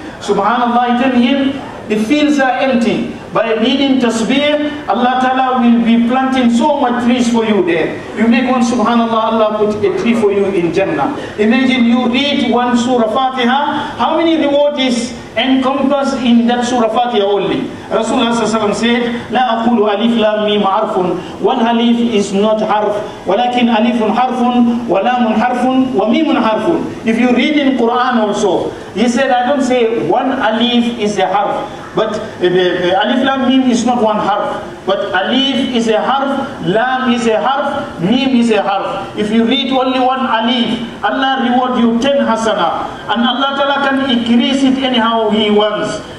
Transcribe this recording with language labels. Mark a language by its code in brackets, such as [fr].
[en] Subhanallah, he told him, the fields are empty. By meaning tasbih, Allah Ta'ala will be planting so much trees for you there. You make one, subhanAllah, Allah put a tree for you in Jannah. Imagine you read one Surah Fatiha, how many reward is encompassed in that Surah Fatiha only? [ar] Rasulullah sallallahu alayhi wa sallam said, لَا أَقُولُ أَلِفْ لَا مِمْ عَرْفٌ. [en] One alif is not harf, [ar] وَلَكِنْ أَلِفٌ حَرْفٌ وَلَامٌ حَرْفٌ وَمِيمٌ حَرْفٌ. [en] If you read in Quran also, he said, I don't say one alif is a harf, but alif lam mim is not one harf, but alif is a harf, lam is a harf, mim is a harf. If you read only one alif, Allah reward you 10 hasana, and Allah Ta'ala can increase it anyhow he wants.